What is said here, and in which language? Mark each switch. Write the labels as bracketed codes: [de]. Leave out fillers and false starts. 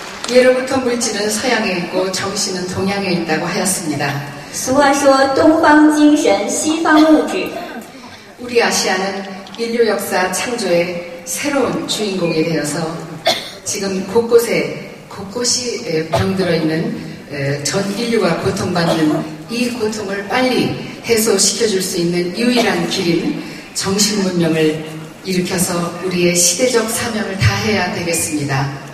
[ko] 예로부터 물질은 서양에 있고 정신은 동양에 있다고 하였습니다. [zh] 俗话说东方精神西方物质。 [ko] 우리 아시아는 인류 역사 창조의 새로운 주인공이 되어서 지금 곳곳에 곳곳이 병들어 있는 전 인류가 고통받는 이 고통을 빨리 해소시켜줄 수 있는 유일한 길인 정신문명을 일으켜서 우리의 시대적 사명을 다해야 되겠습니다.